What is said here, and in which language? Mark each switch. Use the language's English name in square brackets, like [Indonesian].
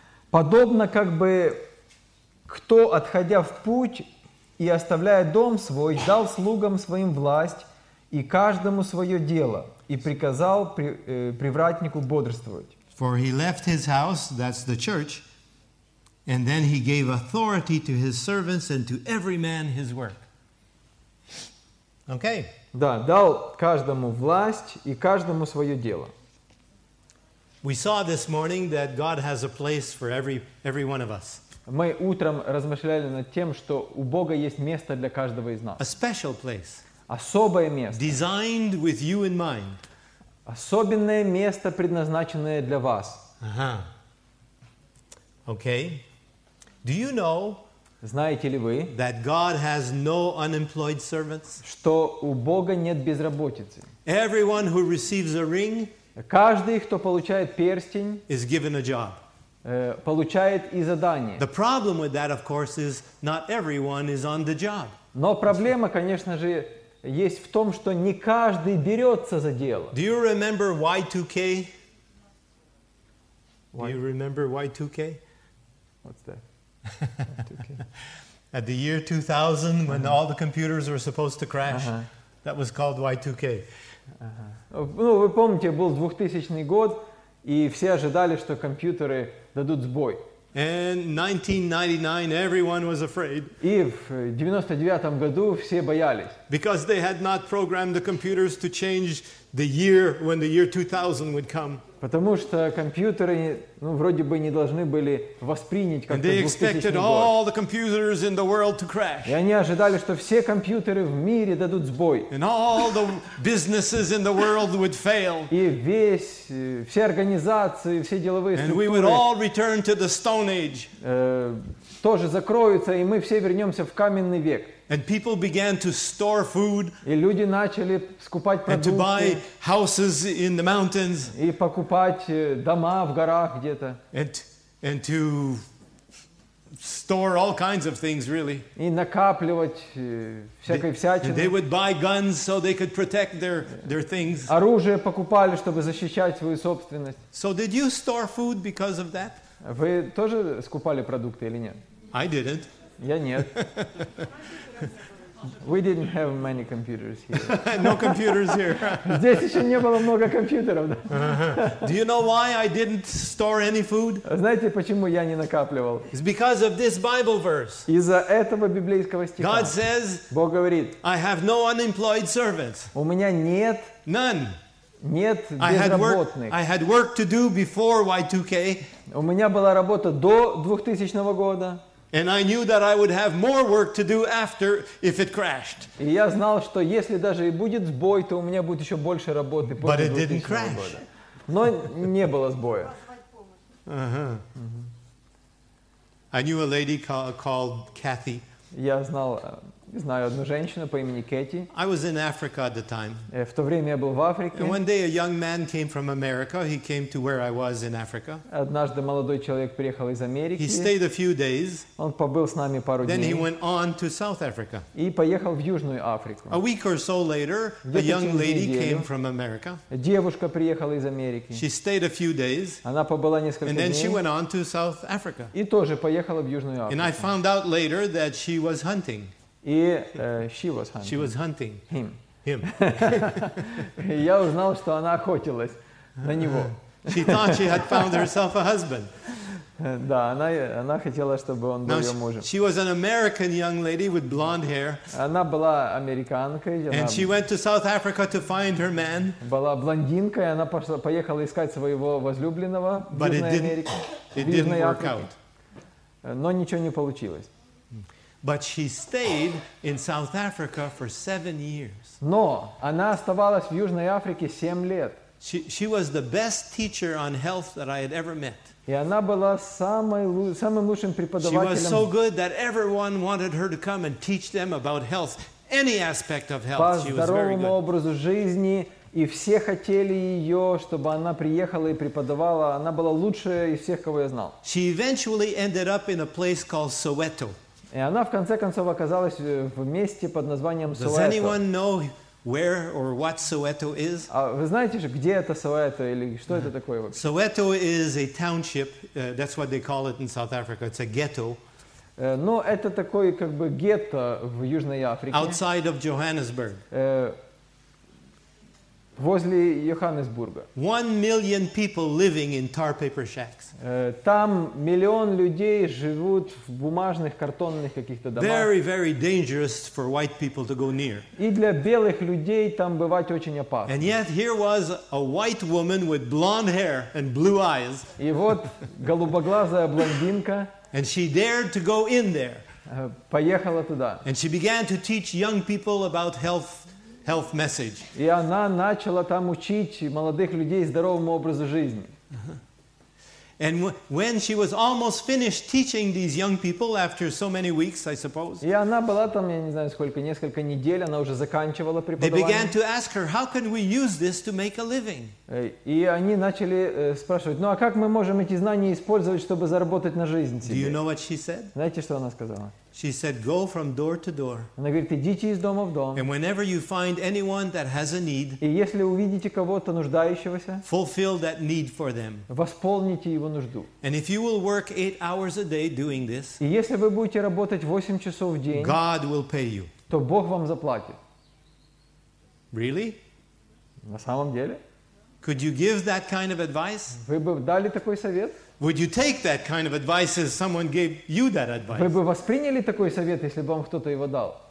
[Russian] Подобно как бы кто, отходя в путь и оставляя дом свой, дал слугам своим власть и каждому свое дело, и приказал привратнику бодрствовать. [English] For he left his house, that's the church, and then he gave authority to his servants and to every man his work. Okay. [Russian] Да, дал каждому власть и каждому свое дело. [English] We saw this morning that God has a place for every one of us. [Russian] Мы утром размышляли над тем, что у Бога есть место для каждого из нас. [English] A special place. [Russian] Особое место. [English] Designed with you in mind. [Russian] Особенное место, предназначенное для вас. [English] Ага. Okay. Do you know, [Russian] знаете ли вы, [English] that God has no unemployed servants? [Russian] Что у Бога нет безработицы? [English] Everyone who receives a ring, [Russian] каждый, кто получает перстень, [English] is given a job. [Russian] Получает и задание. [English] The problem with that, of course, is not everyone is on the job. [Russian] Но проблема, конечно же, есть в том, что не каждый берется за дело. [English] Do you remember Y2K? Do you remember Y2K? What's that? At the year 2000, uh-huh. when all the computers were supposed to crash, uh-huh. that was called Y2K. Uh-huh. [Russian] Ну, вы помните, был 2000 год, и все ожидали, что компьютеры дадут сбой. [English] And 1999, everyone was afraid. [Russian] И в 99-м году все боялись. [English] Because they had not programmed the computers to change the year when the year 2000 would come. [Russian] Потому что компьютеры, ну, вроде бы не должны были воспринять как-то 2000-й год. [English] And they expected all the computers in the world to crash. [Russian] И они ожидали, что все компьютеры в мире дадут сбой. [English] And all the businesses in the world would fail. [Russian] И все организации, все деловые структуры. [English] And we would all return to the Stone Age. [Russian] Тоже закроются, и мы все вернемся в каменный век. [English] And people began to store food. [Russian] И люди начали скупать продукты. [English] And to buy houses in the mountains. [Russian] И покупать дома в горах где-то. [English] And to store all kinds of things, really. [Russian] И накапливать всякой всячины. [English] They would buy guns so they could protect their things. [Russian] Оружие покупали, чтобы защищать свою собственность. [English] So did you store food because of that? [Russian] Вы тоже скупали продукты или нет? [English] I didn't. [Russian] Я нет. [English] We didn't have many computers here. No computers here. [Russian] Здесь еще не было много компьютеров. [English] Do you know why I didn't store any food? [Russian] Знаете, почему я не накапливал? [English] It's because of this Bible verse. [Russian] Из-за этого библейского стиха. [English] God says, [Russian] Бог говорит, [English] I have no unemployed servants. [Russian] У меня нет. [English] None. [Russian] Нет безработных. [English] I had work to do before Y2K. [Russian] У меня была работа до 2000 года. [English] And I knew that I would have more work to do after if it crashed. [Russian] И я знал, что если даже и будет сбой, то у меня будет еще больше работы после 2000 года. [English] But it didn't crash. [Russian] Но не было сбоя. [English] I knew a lady called Kathy. [Russian] Я знаю одну женщину по имени Кэти. [English] I was in Africa at the time. [Russian] В то время я был в Африке. [English] And one day a young man came from America. He came to where I was in Africa. [Russian] Однажды молодой человек приехал из Америки. [English] He stayed a few days. [Russian] Он побыл с нами пару [English] Then [Russian] дней. [English] Then he went on to South Africa. [Russian] И поехал в Южную Африку. [English] A week or so later, a young lady came from America. [Russian] Девушка приехала из Америки. [English] She stayed a few days. [Russian] Она побыла несколько дней. [English] And then she went on to South Africa. [Russian] И тоже поехала в Южную Африку. [English] And I found out later that she was hunting. И she was hunting. She was hunting him. Him. [Russian] Я узнал, что она охотилась на него. [English] She thought she had found herself a husband. [Russian] Да, она хотела, чтобы он был ее мужем. [English] She was an American young lady with blonde hair. [Russian] Она была американкой. [English] And she went to South Africa to find her man. [Russian] Была блондинкой, она поехала искать своего возлюбленного в Южной Америке. [English] It didn't work out. [Russian] Но ничего не получилось. [English] But she stayed in South Africa for 7 years. [Russian] Но она оставалась в Южной Африке 7 лет. [English] She was the best teacher on health that I had ever met. [Russian] И она была самым лучшим преподавателем. [English] She was so good that everyone wanted her to come and teach them about health, any aspect of health. [Russian] По здоровому образу жизни. И все хотели ее, чтобы она приехала и преподавала. Она была лучшая из всех, кого я знал. [English] She eventually ended up in a place called Soweto. [Russian] И она в конце концов оказалась в месте под названием Soweto. [English] Does anyone know where or what Soweto is? [Russian] А вы знаете же, где это Soweto или что это такое вообще? [English] Soweto is a township. That's what they call it in South Africa. It's a ghetto. [Russian] Но это такой как бы гетто в Южной Африке. [English] Outside of Johannesburg. [Russian] Возле Йоханнесбурга. [English] 1 million people living in tar paper shacks. [Russian] Там миллион людей живут в бумажных, картонных каких-то домах. [English] Very, very dangerous for white people to go near. [Russian] И для белых людей там бывать очень опасно. [English] And yet here was a white woman with blonde hair and blue eyes. [Russian] И вот голубоглазая блондинка. [English] And she dared to go in there. [Russian] Поехала туда. [English] And she began to teach young people about health. Health message. [Russian] И она начала там учить молодых людей здоровому образу жизни. [English] And when she was almost finished teaching these young people after so many weeks, I suppose. [Russian] И она была там, я не знаю сколько, несколько недель, она уже заканчивала преподавание. [English] They began to ask her, how can we use this to make a living? [Russian] И они начали спрашивать, ну а как мы можем эти знания использовать, чтобы заработать на жизнь себе? [English] Do you know what she said? [Russian] Знаете, что она сказала? [English] She said, go from door to door. [Russian] Она говорит, идите из дома в дом. [English] And whenever you find anyone that has a need, [Russian] и если увидите кого-то нуждающегося, [English] fulfill that need for them. [Russian] Восполните его нужду. [English] And if you will work 8 hours a day doing this, [Russian] и если вы будете работать 8 часов в день, [English] God will pay you. [Russian] То Бог вам заплатит. [English] Really? [Russian] На самом деле? [English] Could you give that kind of advice? [Russian] Вы бы дали такой совет? [English] Would you take that kind of advice if someone gave you that advice? [Russian] Вы бы восприняли такой совет, если бы вам кто-то его дал?